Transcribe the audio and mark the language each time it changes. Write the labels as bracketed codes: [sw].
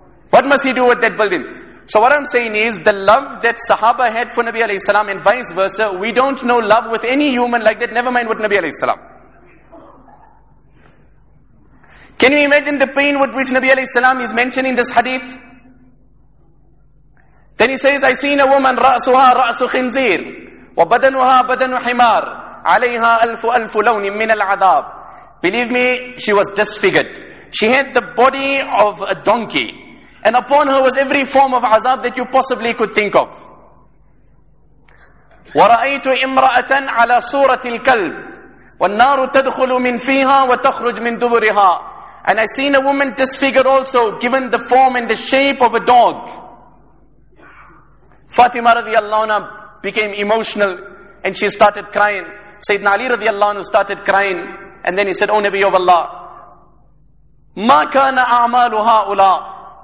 [en] What must he do with that building? So what I'm saying is, the love that Sahaba had for Nabi alayhi salam and vice versa, we don't know love with any human like that, never mind with Nabi alayhi salam. Can you imagine the pain with which Nabi alayhi salam is mentioning this hadith? Then he says, I seen a woman, [ar] رأسها رأس خنزير وبدنها بدن حمار عليها ألف ألف لون من العذاب. [en] Believe me, she was disfigured. She had the body of a donkey. And upon her was every form of azab that you possibly could think of. [ar] ورأيت امرأة على صورة الكلب والنار تدخل من فيها وتخرج من دبرها. [en] And I seen a woman disfigured also, given the form and the shape of a dog. Fatima radiallahu anha became emotional and she started crying. Sayyidina Ali radiallahu anhu started crying and then he said, O Nabi of Allah, [ar] ما كان أعمال هؤلاء.